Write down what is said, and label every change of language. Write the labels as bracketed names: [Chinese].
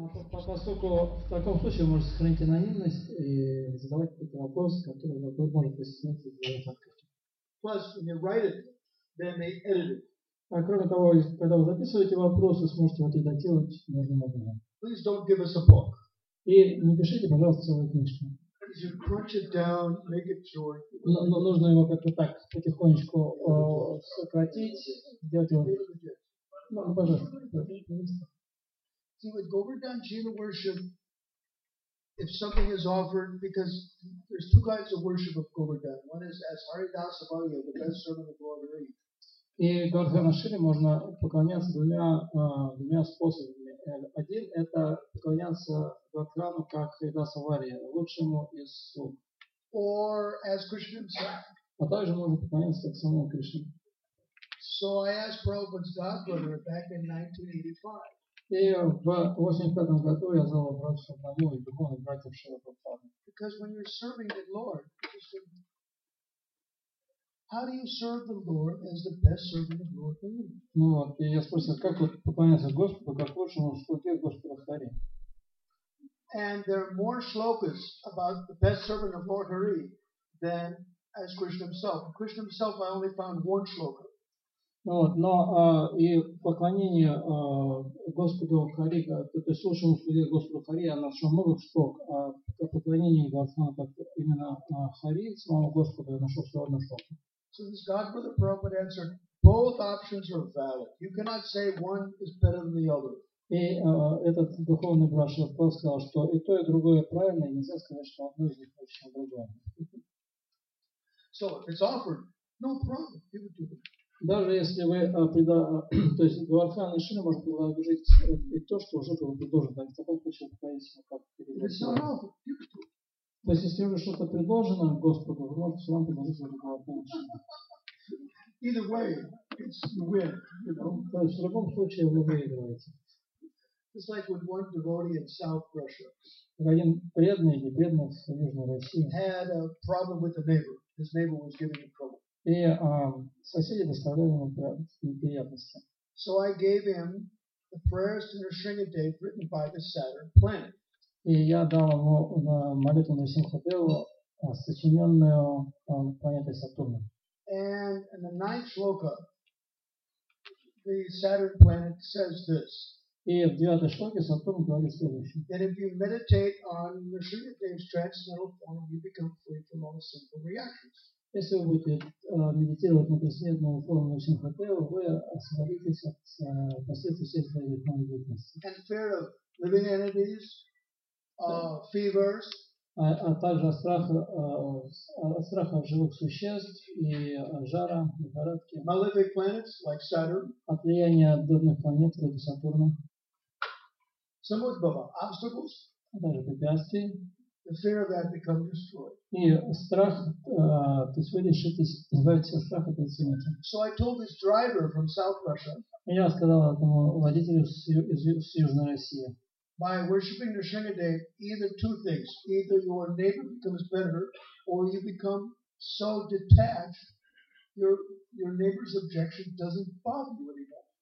[Russian] Поскольку в таком случае вы можете сохранить анонимность и задавать какой-то вопрос, который вы можете стесняться сделать открытие. [English] Plus, when you write it, then they edit it. [Russian] А кроме того, когда вы записываете вопрос, вы сможете вот это делать нужным образом. [English] Please don't give us a book. [Russian] И напишите, пожалуйста, целую книжку. [English] As you crunch it down, make it short. [Russian] Но нужно его как-то так потихонечку сократить, сделать его. Ну, пожалуйста. [English] See, with Govardhan Jiva worship, if something is offered, because there's two kinds of worship of Govardhan. One is as Haridasa Bhagya, the best servant of Lord Hari. [Russian] И Govardhan Шри можно поклоняться двумя способами. Один – это поклоняться Govardhan как Haridasa Bhagya, лучшему из слуг. [English] Or as Krishna himself. [Russian] А также можно поклоняться как самому Кришне. [English] So I asked Prabhupada's godmother back in 1985. [Russian] И в 85 году я задал вопрос одному и другому братьям Шрила Прабхупаде. [English] Because when you're serving the Lord, how do you serve the Lord as the best servant of Lord Hari? [Russian] Ну вот, и я спросил, как вот поклоняться Господу, как лучшему слуге Господа Хари? [English] And there are more shlokas about the best servant of Lord Hari than as Krishna himself. Krishna himself, I only found one shloka. [Russian] Ну вот, но и поклонение Господу Хари, то есть слушаем слуги Господу Хари, я нашел много шток, а поклонение Говардхана как именно Хари, самого Господа, я нашел всего одну шток. [English] So this Godmother Prabhupada answered, both options are valid. You cannot say one is better than the other. [Russian] И этот духовный брат Шрила Прабхупада сказал, что и то, и другое правильное, нельзя сказать, что одно из них лучше, чем другое. [English] So if it's offered, no problem, give it to them. [Russian] Даже если вы то есть Говардхан Шри может предложить и то, что уже было предложено, в таком случае поклониться как передать. То есть если уже что-то предложено Господу, вы можете все равно предложить за Говардхан Шри. [English] Either way, it's you win, you know. [Russian] То есть в любом случае вы выигрываете. [English] It's like with one devotee in South Russia. [Russian] Один преданный или бедный в Южной России. [English] Had a problem with a neighbor. His neighbor was giving him trouble. [Russian] И соседи доставляли ему неприятности. [English] So I gave him the prayers to Nrsimha Dev written by the Saturn planet. [Russian] И я дал ему молитву Нрсимха Деву, сочиненную планетой Сатурна. [English] And in the ninth shloka, the Saturn planet says this. [Russian] И в девятой шлоке Сатурн говорит следующее. [English] That if you meditate on Nrsimha Dev's transcendental form, you become free from all sinful reactions. [Russian] Если вы будете медитировать на трансцендентную форму Нрсимхадева, вы освободитесь от последствий всех своих духовных деятельностей. [English] And fear of living entities, fevers. [Russian] А также от страха живых существ и жара, лихорадки. [English] Malefic planets like Saturn. [Russian] От влияния дурных планет вроде Сатурна. [English] Samut Baba, obstacles. [Russian] А также препятствия. [English] The fear of that becomes destroyed. [Russian] И страх, то есть вы решитесь избавиться от страха перед смертью. [English] So I told this driver from South Russia. [Russian] Я сказал этому водителю с Южной России. [English] By worshiping Nrsimha Dev, either two things: either your neighbor becomes better, or you become so detached, your neighbor's objection doesn't bother you anymore.